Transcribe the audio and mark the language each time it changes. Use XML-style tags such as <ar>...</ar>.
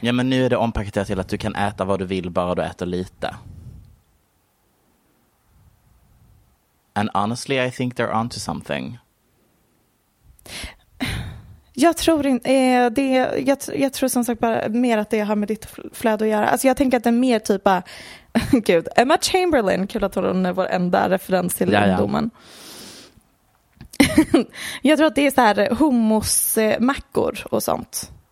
<sv>Ja, men nu är det ompaketerat till att du kan äta vad du vill bara du äter lite.</sv> <en>And honestly, I think they're onto something.</en> <sv>Jag tror inte. Jag tror som sagt bara mer att det har med ditt flöde att göra. Alltså jag tänker att det är mer typ av, gud, Emma Chamberlain, kul att hon är vår enda referens till ungdomen. Jag tror att det är så här hummusmackor och sånt.</sv>